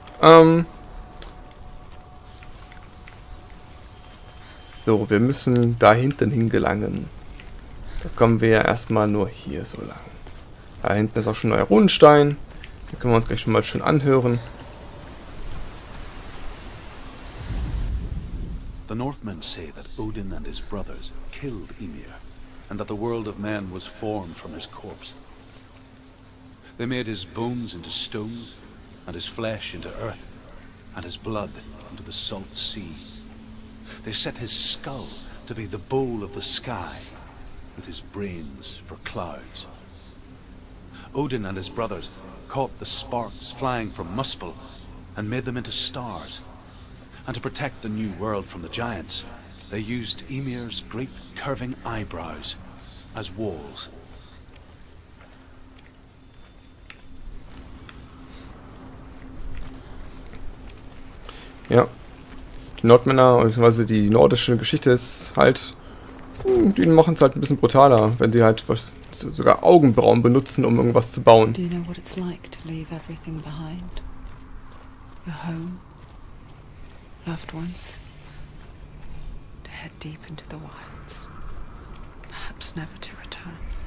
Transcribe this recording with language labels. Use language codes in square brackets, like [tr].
[de] So, wir müssen da hinten hingelangen. Da kommen wir ja erstmal nur hier so lang. Da hinten ist auch schon ein neuer Runenstein. Den können wir uns gleich schon mal schön anhören. [en] The Northmen say that Odin and his brothers killed Ymir. And that the world of man was formed from his corpse. They made his bones into stone, and his flesh into earth, and his blood into the salt sea. They set his skull to be the bowl of the sky, with his brains for clouds. Odin and his brothers caught the sparks flying from Muspel and made them into stars. And to protect the new world from the giants, they used Ymir's great curving eyebrows as walls. [de] Ja, die Nordmänner bzw. die nordische Geschichte ist halt, die machen es halt ein bisschen brutaler, wenn sie halt was, sogar Augenbrauen benutzen, um irgendwas zu bauen. [en] Do you know what it's like to leave everything behind? Your home, loved ones. Head deep into the wilds, perhaps never to return.